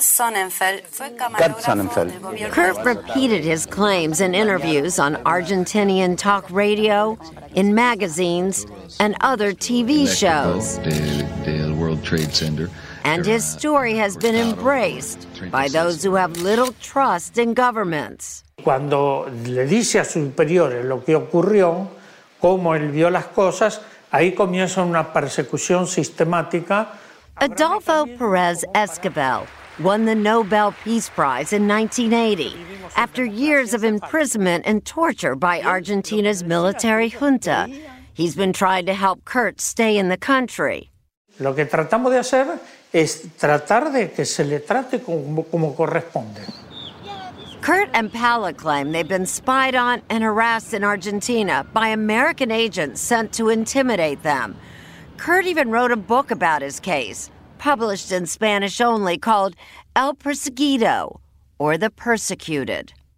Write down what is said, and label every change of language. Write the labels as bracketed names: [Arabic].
[English] Kurt repeated his claims in interviews on Argentinian talk radio, in magazines, and other TV shows. The World Trade Center. And his story has been embraced by those who have little trust in governments. [Spanish] Cuando le dice a sus superiores lo que ocurrió, cómo él vio las cosas, ahí comienza una persecución sistemática. [English] Adolfo Perez Esquivel won the Nobel Peace Prize in 1980 after years of imprisonment and torture by Argentina's military junta. He's been trying to help Kurt stay in the country. [Spanish] Lo que tratamos de hacer es tratar de que se le trate como corresponde. [English] Kurt and Paola claim they've been spied on and harassed in Argentina by American agents sent to intimidate them. Kurt even wrote a book about his case, published in Spanish only, called El Perseguido, or The Persecuted.